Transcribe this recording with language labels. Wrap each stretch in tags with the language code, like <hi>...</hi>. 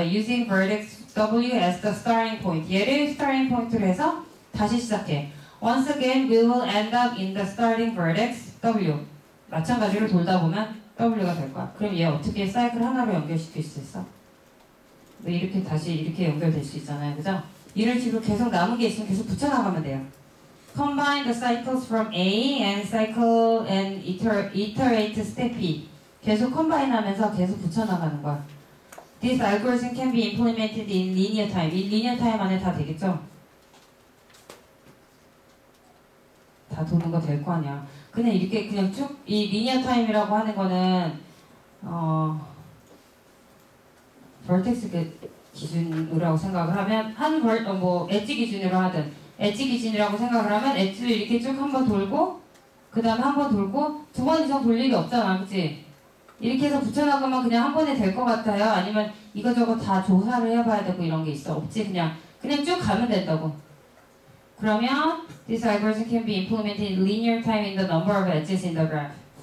<en>Using vertex W as the starting point.</en> <ko>얘를 starting point로 해서 다시 시작해.</ko> <en>Once again, we will end up in the starting vertex W.</en> <ko>마찬가지로 돌다 보면 W가 될 거야. 그럼 얘 어떻게 사이클 하나로 연결시킬 수 있어? 이렇게 다시 이렇게 연결될 수 있잖아요. 그죠? 이를 지금 계속 남은 게 있으면 계속 붙여나가면 돼요.</ko> <en>Combine the cycles from A and cycle and iterate step B.</en> <ko>계속 컴바인 하면서 계속 붙여나가는 거야.</ko> <en>This algorithm can be implemented in linear time.</en> <ko>In linear time 안에 다 되겠죠? 다 도는 거 될 거 아니야. 근데 이렇게 그냥 쭉, 이 linear time이라고 하는 거는, vertex 기준이라고 생각을 하면, 한 edge 기준으로 하든, edge 기준이라고 생각을 하면, edge를 이렇게 쭉 한 번 돌고, 그 다음에 한 번 돌고, 두 번 이상 돌 일이 없잖아, 그치? 이렇게 해서 붙여나가면 그냥 한 번에 될 것 같아요? 아니면 이것저것 다 조사를 해봐야 되고 이런 게 있어? 없지, 그냥 쭉 가면 된다고. 그러면</ko> <en>this algorithm can be implemented in linear time in the number of edges in the graph.</en>